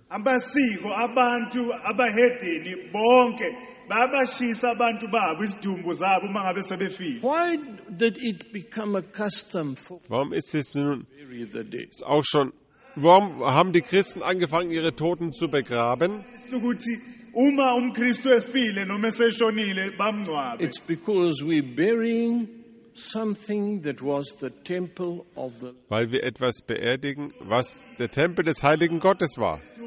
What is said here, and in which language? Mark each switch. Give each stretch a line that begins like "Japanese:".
German: Warum ist es nun ist auch schon? Warum haben die Christen angefangen, ihre Toten zu begraben?
English: It's because we're burying something that was the temple of the.
German: Weil wir etwas beerdigen, was der Tempel des Heiligen Gottes war.